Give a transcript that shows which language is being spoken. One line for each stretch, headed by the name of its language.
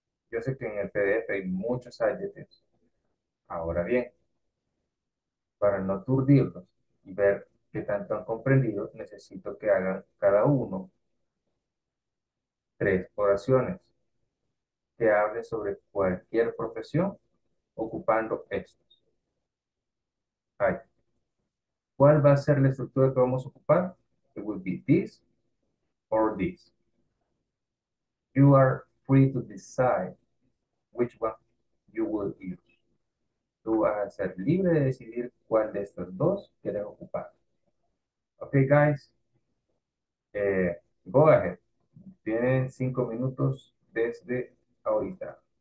Spanish: Yo sé que en el PDF hay muchos adjectives. Ahora bien, para no aturdirlos y ver qué tanto han comprendido, necesito que hagan cada uno tres oraciones que hablen sobre cualquier profesión ocupando estos. Ahí. ¿Cuál va a ser la estructura que vamos a ocupar?
English: It will be this or this. You are free to decide which one you will use.
Spanish: Tú vas a ser libre de decidir cuál de estas dos quieres ocupar.
English: Ok, guys. Go ahead.
Spanish: Tienen 5 minutos desde ahorita.